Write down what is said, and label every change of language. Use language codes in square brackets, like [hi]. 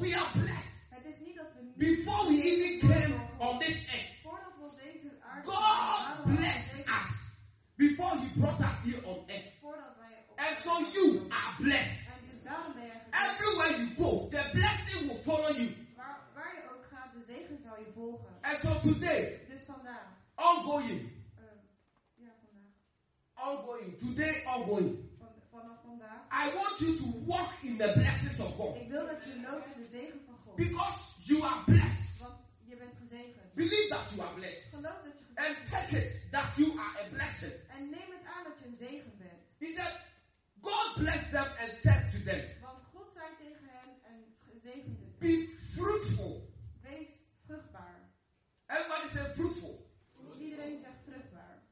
[en] We are blessed. Before we even came on this earth, God blessed us before he brought us here on earth. And so you are blessed. Everywhere you go, the blessing will follow you. [nl] Waar je ook gaat, de zegen zal je volgen. [en] And so today, [nl] dus vandaag, [en] ongoing. [nl] Ja, vandaag. [en] Ongoing. Today, ongoing. [nl] Vanaf vandaag. [en] I want you to walk in the blessings of God. [nl] Ik wil dat je loopt in de zegen van God. [en] Because you are blessed. [nl] Want je bent gezegend. [en] Believe that you are blessed. [nl] Geloof dat je gezegend. [en] And take it that you are a blessing. [nl] En neem het aan dat je een zegen bent. [en] He said, God blessed them and said to them. [nl] Want God zei tegen hen en gezegende. [en] Be fruitful. [nl] Wees vruchtbaar. [en] Everybody say fruitful. [nl] Iedereen zegt vruchtbaar.